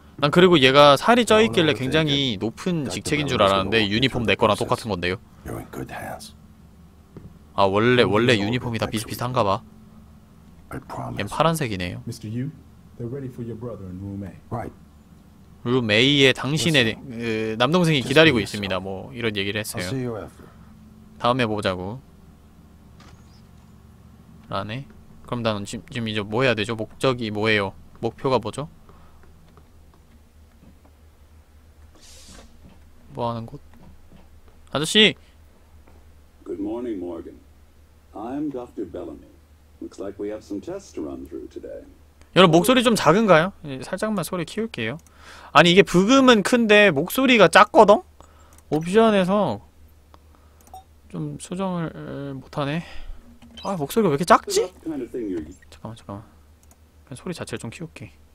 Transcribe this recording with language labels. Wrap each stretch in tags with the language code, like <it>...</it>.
<ko>난 그리고 얘가 살이 쪄 있길래 굉장히 높은 직책인 줄 알았는데 유니폼 내 거랑 똑같은 건데요. 아, 원래 유니폼이 다 비슷비슷한가 봐. 얜 파란색이네요. Mr.</ko> <en>Yu, they're ready for your brother in room A. Right.</en> <ko>룸 A에 당신의 남동생이 기다리고 있습니다. 뭐 이런 얘기를 했어요. 다음에 보자고. 라네. 그럼 나는 지금 이제 뭐 해야 되죠? 목적이 뭐예요? 목표가 뭐죠? 뭐 하는 곳? 아저씨.</ko> <en>Good morning, Morgan. I'm Dr. Bellamy. Looks like we have some tests to run through today.</en> <ko>여러분 목소리 좀 작은가요? 살짝만 소리 키울게요. 아니 이게 부금은 큰데 목소리가 작거든? 옵션에서 좀 수정을 못하네. 아, 목소리가 왜 이렇게 작지? 잠깐만, 잠깐만. 그냥 소리 자체를 좀 키울게.</ko>